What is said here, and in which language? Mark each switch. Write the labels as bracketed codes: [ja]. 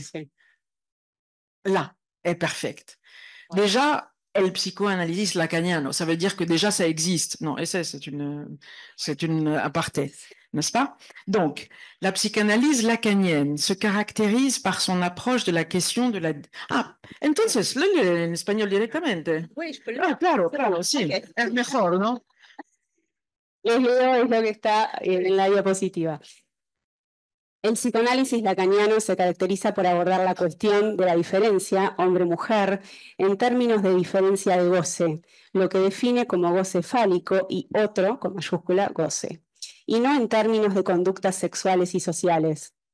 [es] Sí. [fr] Là, est perfecte. Ouais. Déjà, [es] el psicoanalyste lacaniano, [fr] ça veut dire que déjà ça existe. Non, [es] eso es, [fr] c'est une aparté, n'est-ce pas? Donc, la psychanalyse lacanienne se caractérise par son approche de la question de la... [es] Ah, entonces, lo leo en español directamente. [fr] Oui, je peux le dire. [es] Ah, claro, claro, sí. Okay. Es mejor, ¿no? Les leo es lo que está en la diapositiva. El psicoanálisis lacaniano se caracteriza por abordar la cuestión de la diferencia hombre-mujer en términos de diferencia de goce, lo que define como goce fálico y otro, con mayúscula, goce, y no en términos de conductas sexuales y sociales.